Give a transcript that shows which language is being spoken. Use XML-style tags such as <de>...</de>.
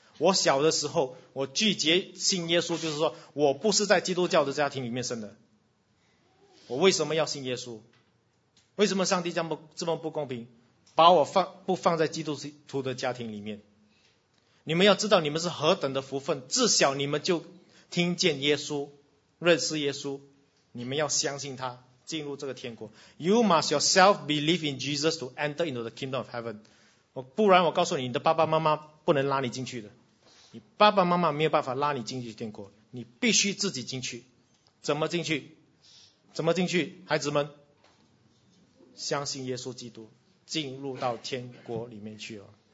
<zh>我小的时候，我拒绝信耶稣，就是说我不是在基督教的家庭里面生的，我为什么要信耶稣？为什么上帝这么不公平，把我不放在基督徒的家庭里面？你们要知道你们是何等的福分，至少你们就听见耶稣，认识耶稣，你们要相信他进入这个天国。</zh> <en>You must yourself believe in Jesus to enter into the kingdom of heaven.</en> <zh>不然我告诉你，你的爸爸妈妈不能拉你进去的，你爸爸妈妈没有办法拉你进去天国，你必须自己进去。怎么进去？怎么进去？孩子们，相信耶稣基督进入到天国里面去了。</zh>